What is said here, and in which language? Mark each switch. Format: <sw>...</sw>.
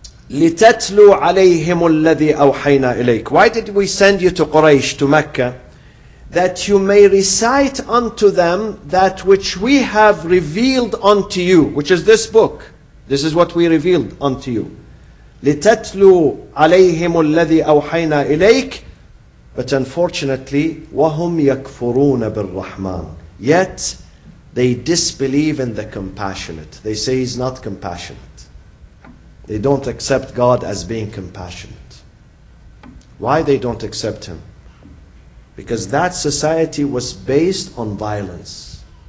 <ar>لِتَتْلُوا عَلَيْهِمُ الَّذِي أَوْحَيْنَا إِلَيْكَ.</ar> <en>Why did we send you to Quraysh, to Mecca? That you may recite unto them that which we have revealed unto you, which is this book. This is what we revealed unto you.</en> <ar>لِتَتْلُوا عَلَيْهِمُ الَّذِي أَوْحَيْنَا إِلَيْكَ.</ar> <en>But unfortunately,</en> <ar>وَهُمْ يَكْفُرُونَ بِالرَّحْمَانِ.</ar> <en>Yet, they disbelieve in the compassionate. They say he's not compassionate. They don't accept God as being compassionate. Why they don't accept him? Because that society was based on violence.</en>